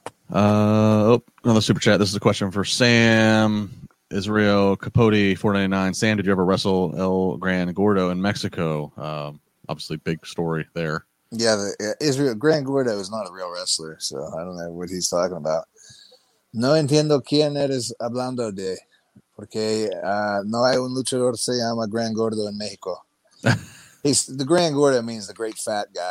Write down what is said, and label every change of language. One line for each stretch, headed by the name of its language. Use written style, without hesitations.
English: Another super chat. This is a question for Sam Israel Capote, $4.99. Sam, did you ever wrestle El Gran Gordo in Mexico? Obviously, big story there. Yeah. Israel Gran Gordo is not a real wrestler, so I don't know what he's talking about.
Spanish: No entiendo quién eres hablando de, porque no hay un luchador se llama Gran Gordo en México.
English: The Gran Gordo means the great fat guy.